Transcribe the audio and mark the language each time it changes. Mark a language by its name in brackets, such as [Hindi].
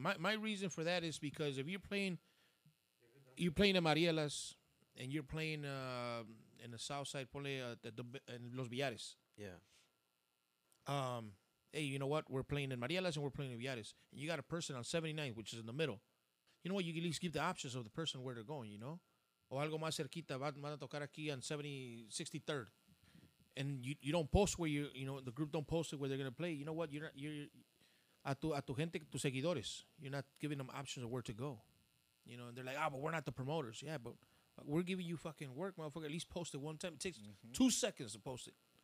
[English] My reason for that is because if you're playing in Mariela's and you're playing in the South Side, [Spanish] ponle [English] in Los Villares. Yeah. Hey, you know what? We're playing in Mariela's and we're playing in Villares. And you got a person on 79th, which is in the middle. You know what? You can at least give the options of the person where they're going, you know? [Spanish] O algo más cerquita, van a tocar aquí [English] on 63rd. And you don't post where the group don't post it where they're going to play. You know what? [Spanish] A tu gente, tus seguidores, [English] you're not giving them options of where to go. You know, and they're like, but we're not the promoters. Yeah, but we're giving you fucking work, motherfucker. At least post it one time. It takes 2 seconds to post it.